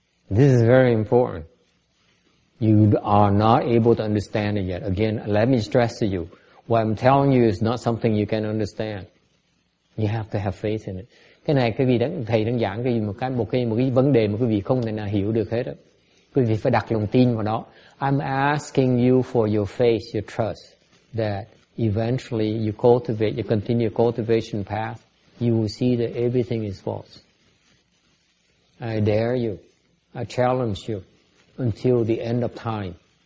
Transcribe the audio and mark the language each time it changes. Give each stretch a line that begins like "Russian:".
English: This is very important. You are not able to understand it yet. Again, let me stress to you, what I'm telling you is not something you can understand. You have to have faith in it.
Vietnamese: Cái này quý vị đã, thầy đang giảng cái gì, một cái vấn đề mà quý vị không thể nào hiểu được hết đó. Quý vị phải đặt lòng tin vào đó.
English: I'm asking you for your faith, your trust, that eventually you cultivate, you continue cultivation path, you will see that everything is false. I dare you. I challenge you. Until the end of time.